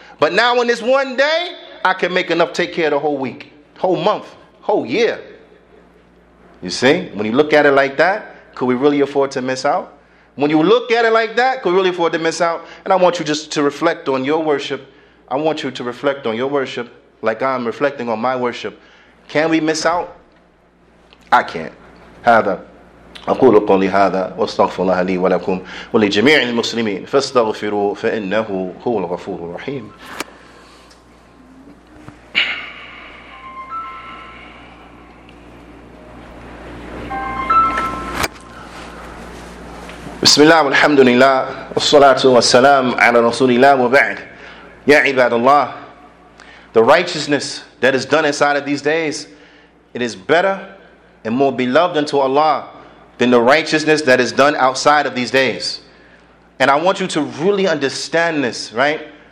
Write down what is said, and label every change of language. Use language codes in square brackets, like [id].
[en] But now in this one day, I can make enough to take care of the whole week, whole month, whole year. You see, when you look at it like that, could we really afford to miss out? When you look at it like that, could we really afford to miss out? And I want you just to reflect on your worship. I want you to reflect on your worship like I'm reflecting on my worship. Can we miss out? I can't. [ar] هذا أقول قولي هذا واستغفر الله لي ولكم ولجميع المسلمين فاستغفروا فإنه هو الغفور الرحيم. بسم الله والحمد لله والصلاة والسلام على رسول الله وبعد. Ya ibadullah, [en] the righteousness that is done inside of these days, it is better and more beloved unto Allah than the righteousness that is done outside of these days. And I want you to really understand this, right?